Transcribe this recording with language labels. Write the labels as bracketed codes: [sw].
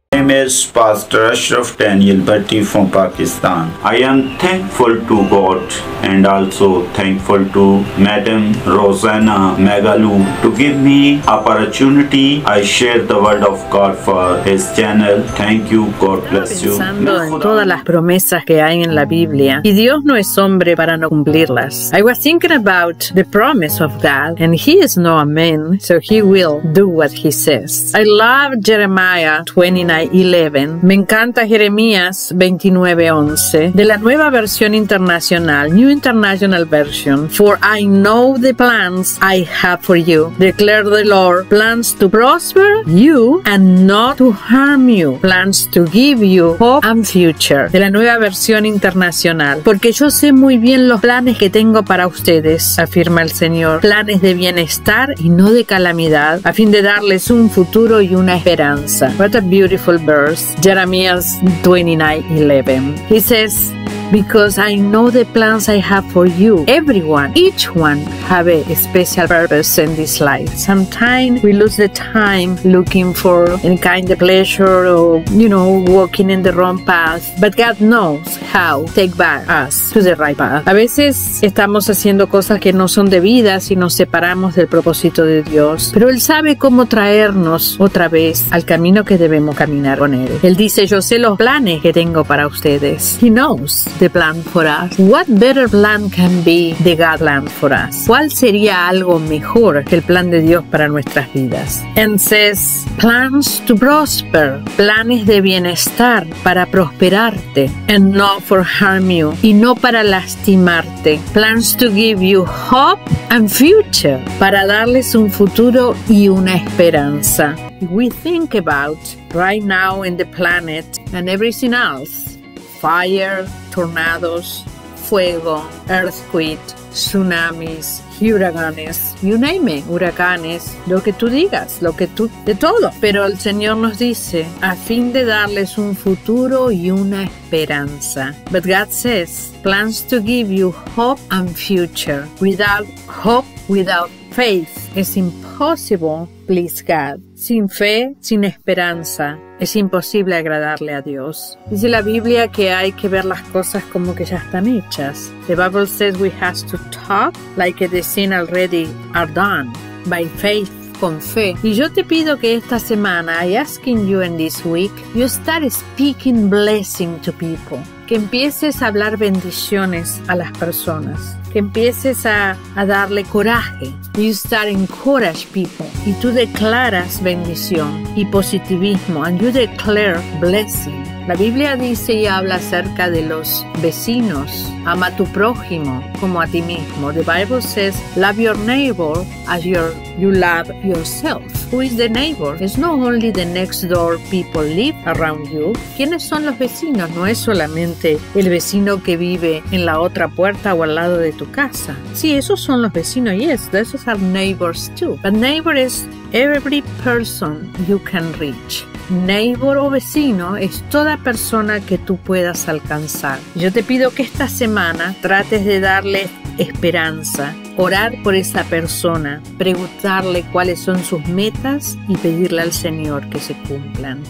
[en] Is Pastor Ashraf Daniel Bhatti from Pakistan. I am thankful to God and also thankful to Madam Rosanna Megalu to give me opportunity. I share the word of God for his channel. Thank you. God bless you. [es] Pensando en todas las promesas que hay en la Biblia, y Dios no es hombre para no cumplirlas. [en] I was thinking about the promise of God, and he is no man, so he will do what he says. I love Jeremiah 29:11. [es] Me encanta Jeremías 29:11 de la Nueva Versión Internacional, [en] New International Version. For I know the plans I have for you, declare the Lord, plans to prosper you and not to harm you, plans to give you hope and future. [es] De la Nueva Versión Internacional. Porque yo sé muy bien los planes que tengo para ustedes, afirma el Señor, planes de bienestar y no de calamidad, a fin de darles un futuro y una esperanza. [en] What a beautiful verse, Jeremiah 29:11. He says, because I know the plans I have for you. Everyone, each one, have a special purpose in this life. Sometimes we lose the time looking for any kind of pleasure or, you know, walking in the wrong path. But God knows how to take back us to the right path. [es] A veces estamos haciendo cosas que no son debidas y nos separamos del propósito de Dios. Pero Él sabe cómo traernos otra vez al camino que debemos caminar con Él. Él dice, yo sé los planes que tengo para ustedes. [en] He knows the plan for us. What better plan can be the God plan for us? [es] ¿Cuál sería algo mejor que el plan de Dios para nuestras vidas? [en] And says, plans to prosper, [es] planes de bienestar para prosperarte, [en] and not for harm you, [es] y no para lastimarte, [en] plans to give you hope and future, [es] para darles un futuro y una esperanza. [en] We think about right now in the planet and everything else, fire, tornados, fuego, earthquake, tsunamis, huracanes, you name it, [es] huracanes, lo que tú digas, lo que tú, de todo. Pero el Señor nos dice, a fin de darles un futuro y una esperanza. [en] But God says, plans to give you hope and future. Without hope, without faith, it's impossible, please God. [es] Sin fe, sin esperanza, es imposible agradarle a Dios. Dice la Biblia que hay que ver las cosas como que ya están hechas. [en] The Bible says we have to talk like the things already are done by faith, [es] con fe. Y yo te pido que esta semana, [en] I asking you in this week, you start speaking blessing to people. [es] Que empieces a hablar bendiciones a las personas. Que empieces a darle coraje. [en] You start encourage people. [es] Y tú declaras bendición y positivismo. [en] And you declare blessing. [es] La Biblia dice y habla acerca de los vecinos. Ama a tu prójimo como a ti mismo. [en] The Bible says, love your neighbor as you love yourself. Who is the neighbor? It's not only the next door people live around you. [es] ¿Quiénes son los vecinos? No es solamente el vecino que vive en la otra puerta o al lado de tu casa. Sí, esos son los vecinos. [en] Yes, those are neighbors too. But neighbor is every person you can reach. [es] Neighbor o vecino es toda persona que tú puedas alcanzar. Yo te pido que esta semana trates de darle esperanza, orar por esa persona, preguntarle cuáles son sus metas y pedirle al Señor que se cumplan.